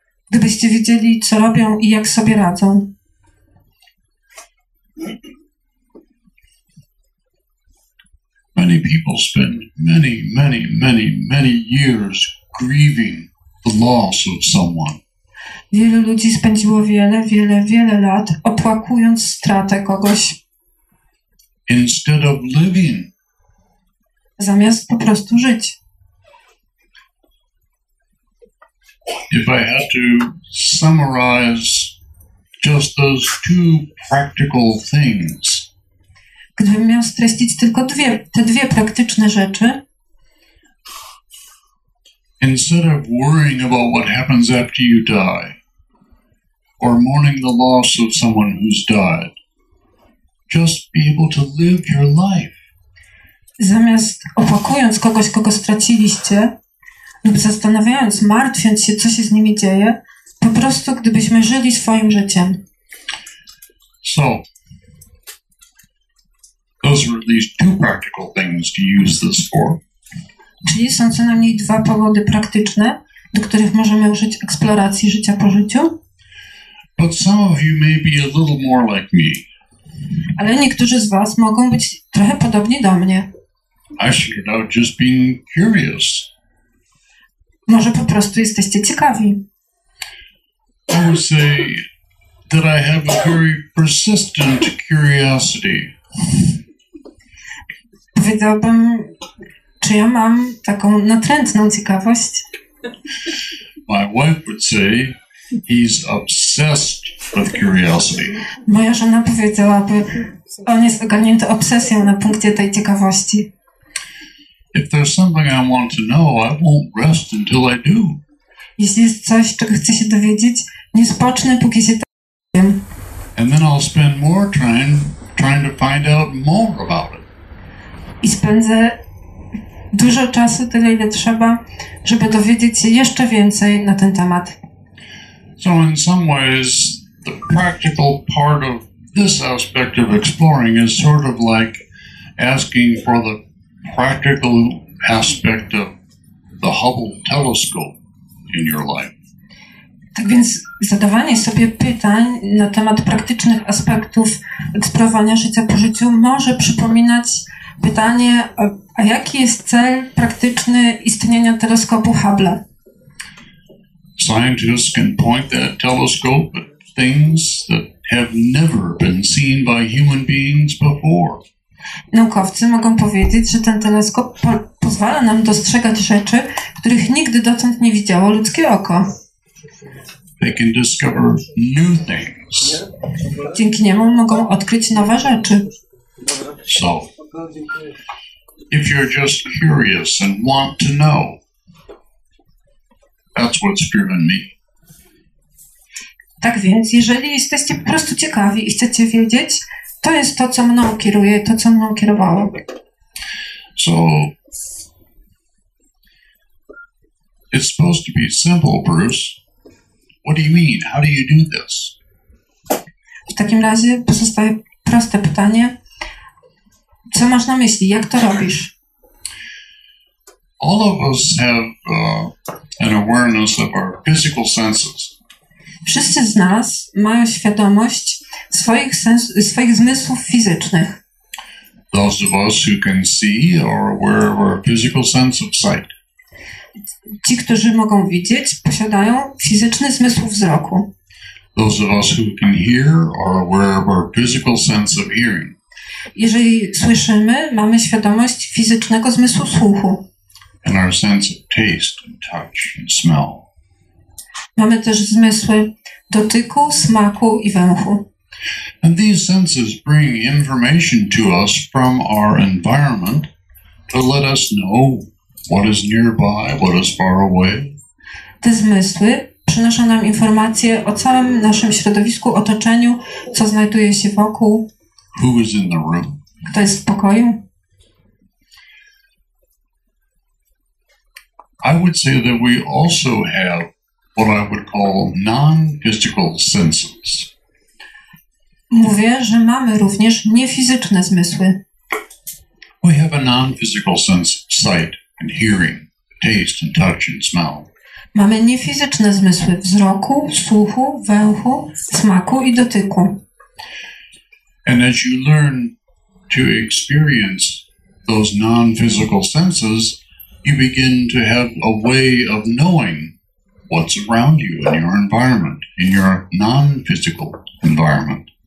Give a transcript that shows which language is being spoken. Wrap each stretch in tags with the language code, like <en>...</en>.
<pl>Gdybyście wiedzieli, co robią i jak sobie radzą.</pl> <en>Many people spend many, many, many, many years grieving the loss of someone.</en> <pl>Wielu ludzi spędziło wiele, wiele, wiele lat opłakując stratę kogoś.</pl> <en>Instead of living.</en> <pl>Zamiast po prostu żyć.</pl> <en>If I had to summarize just those two practical things.</en> <pl>Gdybym miał streścić tylko te dwie praktyczne rzeczy.</pl> <en>Instead of worrying about what happens after you die, or mourning the loss of someone who's died, just be able to live your life.</en> <pl>Zamiast opłakując kogoś, kogo straciliście, lub zastanawiając, martwiąc się, co się z nimi dzieje, po prostu gdybyśmy żyli swoim życiem.</pl> <en>So, those were at least two practical things to use this for.</en> <pl>Czyli są co najmniej dwa powody praktyczne, do których możemy użyć eksploracji życia po życiu.</pl> <en>But some of you may be a little more like me.</en> <pl>Ale niektórzy z was mogą być trochę podobni do mnie.</pl> <en>I should have just been curious.</en> <pl>Może po prostu jesteście ciekawi.</pl> <en>I would say that I have a very persistent curiosity.</en> <pl>Powiedziałbym, czy ja mam taką natrętną ciekawość?</pl> <en>My wife would say he's obsessed with curiosity.</en> <pl>Moja żona powiedziałaby, on jest ogarnięty obsesją na punkcie tej ciekawości.</pl> <en>If there's something I want to know, I won't rest until I do.</en> <pl>Jeśli jest coś, czego chcę się dowiedzieć, nie spocznę, póki się tego nie dowiem.</pl> <en>And then I'll spend more time trying to find out more about it.</en> <pl>I spędzę dużo czasu, tyle ile trzeba, żeby dowiedzieć się jeszcze więcej na ten temat.</pl> <en>So in some ways, the practical part of this aspect of exploring is sort of like asking for the practical aspect of the Hubble telescope in your life.</en> <pl>Tak więc zadawanie sobie pytań na temat praktycznych aspektów eksplorowania życia po życiu może przypominać pytanie, a jaki jest cel praktyczny istnienia teleskopu Hubble?</pl> <en>Scientists can point that telescope at things that have never been seen by human beings before.</en> <pl>Naukowcy mogą powiedzieć, że ten teleskop pozwala nam dostrzegać rzeczy, których nigdy dotąd nie widziało ludzkie oko.</pl> <en>They can discover new things.</en> <pl>Dzięki niemu mogą odkryć nowe rzeczy.</pl> <en>So, if you're just curious and want to know, that's what's driven me.</en> <pl>Tak więc, jeżeli jesteście po prostu ciekawi i chcecie wiedzieć, to jest to, co mną kieruje, to, co mną kierowało.</pl> <en>So, it's supposed to be simple, Bruce. What do you mean? How do you do this?</en> <pl>W takim razie pozostaje proste pytanie. Co masz na myśli? Jak to robisz?</pl> <en>All of us have an awareness of our physical senses.</en> <pl>Wszyscy z nas mają świadomość swoich, swoich zmysłów fizycznych.</pl> <en>Those of us who can see are aware of our physical sense of sight.</en> <pl>Ci, którzy mogą widzieć, posiadają fizyczny zmysł wzroku.</pl> <en>Those of us who can hear are aware of our physical sense of hearing.</en> <pl>Jeżeli słyszymy, mamy świadomość fizycznego zmysłu słuchu.</pl> <en>And our sense of taste and touch and smell.</en> <pl>Mamy też zmysły dotyku, smaku i węchu.</pl> <en>And these senses bring information to us from our environment to let us know what is nearby, what is far away.</en> <pl>Te zmysły przynoszą nam informacje o całym naszym środowisku, otoczeniu, co znajduje się wokół.</pl> <en>Who is in the room?</en> <pl>Kto jest w pokoju?</pl> <en>I would say that we also have what I would call non-physical senses.</en> <pl>Mówię, że mamy również niefizyczne zmysły.</pl> <en>We have a non-physical sense of sight and hearing, taste and touch and smell.</en> <pl>Mamy niefizyczne zmysły wzroku, słuchu, węchu, smaku i dotyku.</pl> <en>And as you learn to experience those non-physical senses, you begin to have a way of knowing what's around you in your environment, in your non-physical environment.</en>